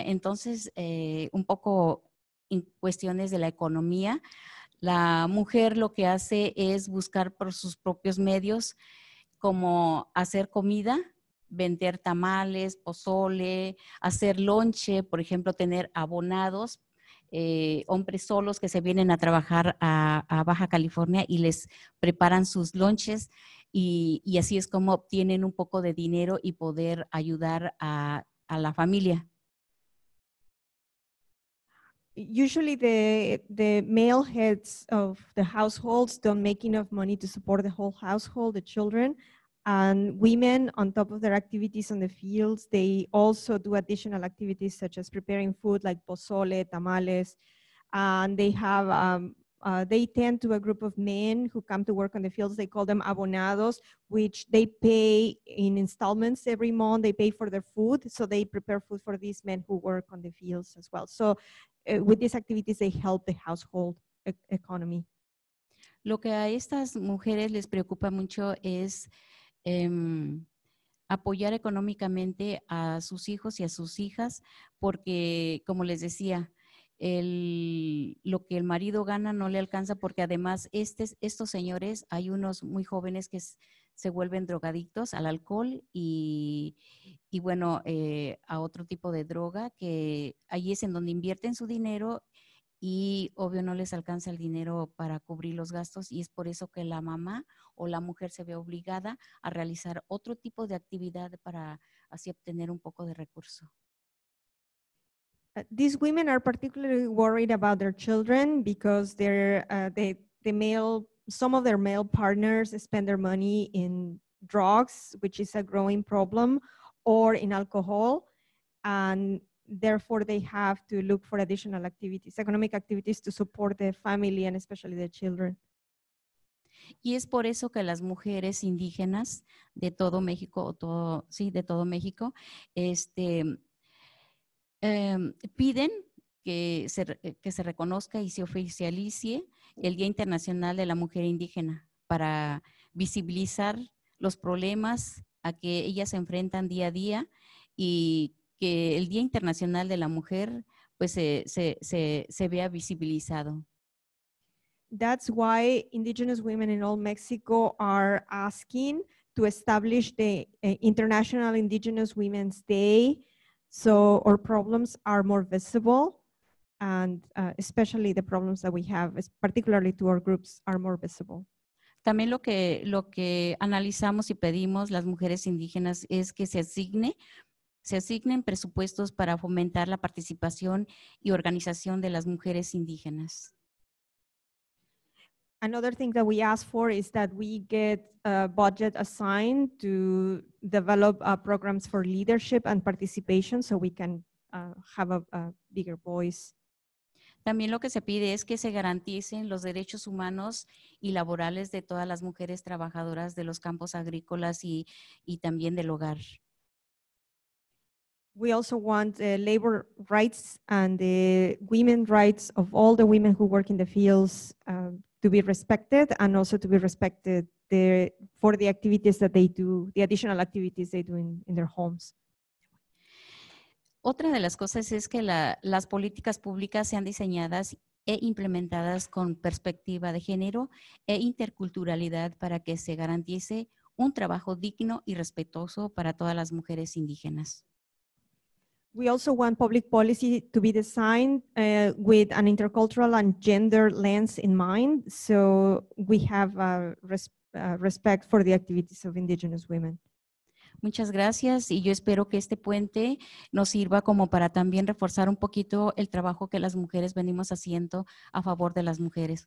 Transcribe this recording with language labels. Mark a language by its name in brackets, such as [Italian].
[Spanish] Entonces, un poco en cuestiones de la economía, la mujer lo que hace es buscar por sus propios medios, como hacer comida, vender tamales, pozole, hacer lonche, por ejemplo, tener abonados, hombres solos que se vienen a trabajar a Baja California y les preparan sus lonches. Y así es como obtienen un poco de dinero y poder ayudar a la familia. [English] Usually the male heads of the households don't make enough money to support the whole household, the children. And women, on top of their activities on the fields, they also do additional activities such as preparing food like pozole, tamales. And they have... they tend to a group of men who come to work on the fields. They call them abonados, which they pay in installments every month. They pay for their food, so they prepare food for these men who work on the fields as well. So with these activities, they help the household economy. [Spanish] Lo que a estas mujeres les preocupa mucho es apoyar económicamente a sus hijos y a sus hijas, porque, como les decía, lo que el marido gana no le alcanza, porque además estos señores, hay unos muy jóvenes que se vuelven drogadictos al alcohol y bueno, a otro tipo de droga, que ahí es en donde invierten su dinero y obvio no les alcanza el dinero para cubrir los gastos, y es por eso que la mamá o la mujer se ve obligada a realizar otro tipo de actividad para así obtener un poco de recurso. [English] These women are particularly worried about their children because some of their male partners spend their money in drugs, which is a growing problem, or in alcohol, and therefore they have to look for additional activities, economic activities, to support the family and especially the children. [Spanish] Y es por eso que las mujeres indígenas de todo México, piden que se reconozca y se oficialice el Día Internacional de la Mujer Indígena para visibilizar los problemas a que ellas se enfrentan día a día, y que el Día Internacional de la Mujer pues se vea visibilizado. [English] That's why indigenous women in all Mexico are asking to establish the International Indigenous Women's Day, so our problems are more visible, and especially the problems that we have, particularly to our groups, are more visible. [Spanish] También lo que analizamos y pedimos las mujeres indígenas es que se asignen presupuestos para fomentar la participación y organización de las mujeres indígenas. [English] Another thing that we ask for is that we get a budget assigned to develop programs for leadership and participation, so we can have a bigger voice. [Spanish] También lo que se pide es que se garanticen los derechos humanos y laborales de todas las mujeres trabajadoras de los campos agrícolas y también del hogar. [English] We also want labor rights and the women rights of all the women who work in the fields to be respected, and also to be respected for the activities that they do, the additional activities they do in their homes. [Spanish] Otra de las cosas es que las políticas públicas sean diseñadas e implementadas con perspectiva de género e interculturalidad para que se garantice un trabajo digno y respetuoso para todas las mujeres indígenas. [English] We also want public policy to be designed with an intercultural and gender lens in mind, so we have respect for the activities of indigenous women. [Spanish] Muchas gracias, y yo espero que este puente nos sirva como para también reforzar un poquito el trabajo que las mujeres venimos haciendo a favor de las mujeres.